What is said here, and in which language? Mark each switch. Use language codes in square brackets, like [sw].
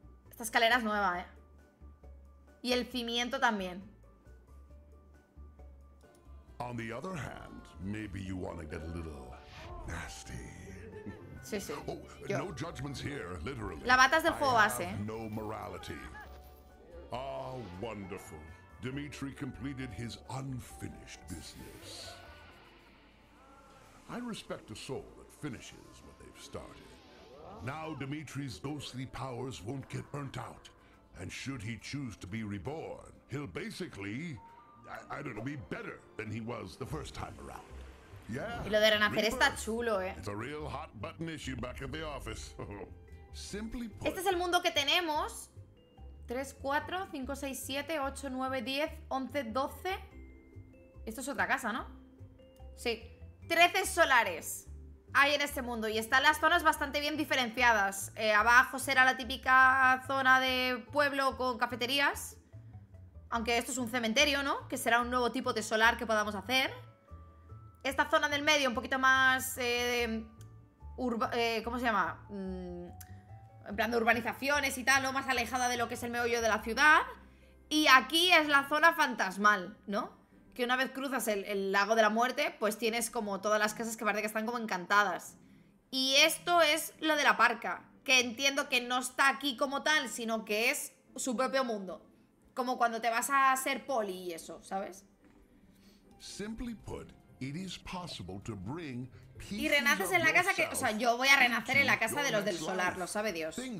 [es] Esta escalera es nueva, Y el cimiento también. [en] On the other hand, maybe you want to get a little nasty. [es] Sí, sí. [en] Oh, no judgments here, literally. [es] La bata es del juego base. [en] No morality. Ah, wonderful. Dimitri completed his unfinished business. I respect a soul that finishes what they've started. Now Dimitri's ghostly powers won't get burnt out. And should he choose to be reborn, he'll basically, I don't know, be better than he was the first time around. Yeah. [es] Y lo de renacer está chulo, [en] It's a real hot button issue back at the office. Simply put, [es] este es el mundo que tenemos. 3, 4, 5, 6, 7, 8, 9, 10, 11, 12. Esto es otra casa, ¿no? Sí. 13 solares hay en este mundo. Y están las zonas bastante bien diferenciadas. Abajo será la típica zona de pueblo con cafeterías. Aunque esto es un cementerio, ¿no? Que será un nuevo tipo de solar que podamos hacer. Esta zona del medio, un poquito más... ¿cómo se llama? En plan de urbanizaciones y tal, ¿no? Más alejada de lo que es el meollo de la ciudad. Y aquí es la zona fantasmal, ¿no? Que una vez cruzas el lago de la muerte, pues tienes como todas las casas que parece que están como encantadas. Y esto es lo de la parca, que entiendo que no está aquí como tal, sino que es su propio mundo. Como cuando te vas a ser poli y eso, ¿sabes? [en] Simply put, it is possible to bring... [es] Y renaces en la casa que... O sea, yo voy a renacer en la casa de los del solar, lo sabe Dios.